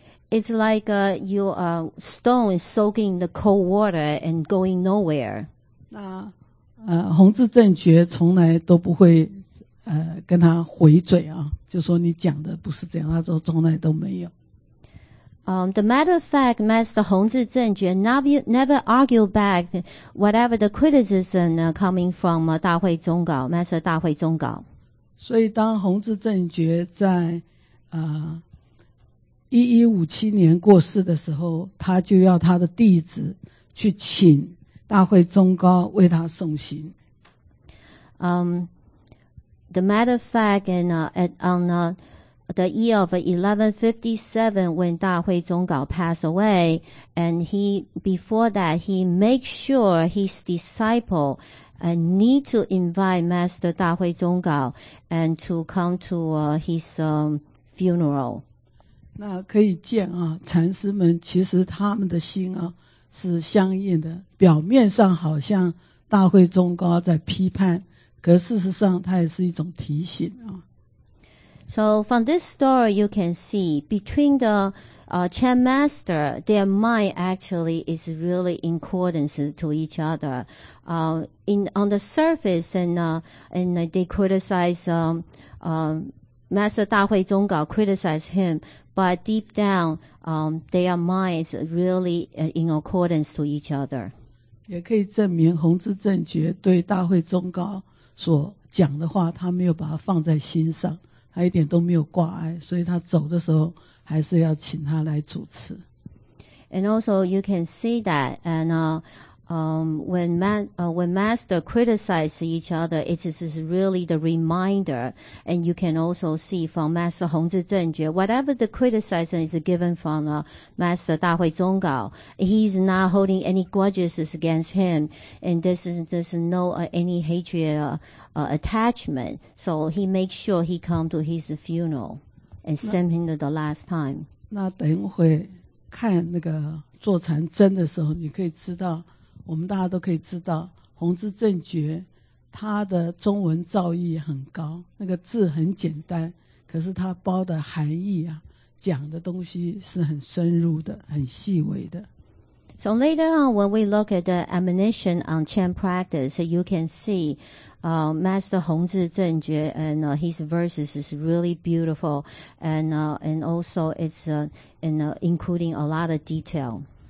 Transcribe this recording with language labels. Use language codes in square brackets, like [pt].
[en] It's like you are stone soaking the cold water and going nowhere. [zh] 弘治正觉从来都不会跟他回嘴啊，就说你讲的不是这样，他说从来都没有。 [en] The matter of fact, Master 弘治正觉 never argue back whatever the criticism coming from 大会宗教, Master 大会宗教。 [zh] 所以当弘治正觉在1157年过世的时候，他就要他的弟子去请大会宗高为他送行。 [en] The matter of fact, and the year of 1157, when 大会宗高 passed away, and he before that he make sure his disciple need to invite Master 大会宗高 and to come to his funeral. [zh] 那可以见啊，禅师们其实他们的心啊是相应的，表面上好像大会宗高在批判，可事实上它也是一种提醒啊。 [en] So from this story you can see between the chan master, their mind actually is really in accordance to each other. On the surface and they criticize Master 大会宗高 criticize him, but deep down, their minds really in accordance to each other. [zh] 也可以证明弘治正觉对大会宗高所讲的话，他没有把它放在心上，他一点都没有挂碍，所以他走的时候还是要请他来主持。 [en] And also, you can see that, and when master criticize each other, it is really the reminder, and you can also see from Master 弘治正觉, whatever the criticism is given from Master 大会宗高, he's not holding any grudges against him, and there's no any hatred attachment, so he makes sure he come to his funeral and send him the last time. [zh] 那等一会看那个坐禅真的时候，你可以知道，我们大家都可以知道弘治正觉他的中文造诣很高，那个字很简单，可是他包的含义啊，讲的东西是很深入的，很细微的。 [en] So later on, when we look at the admonition on chant practice, you can see Master 弘治正觉 and his verses is really beautiful, and also it's including a lot of detail.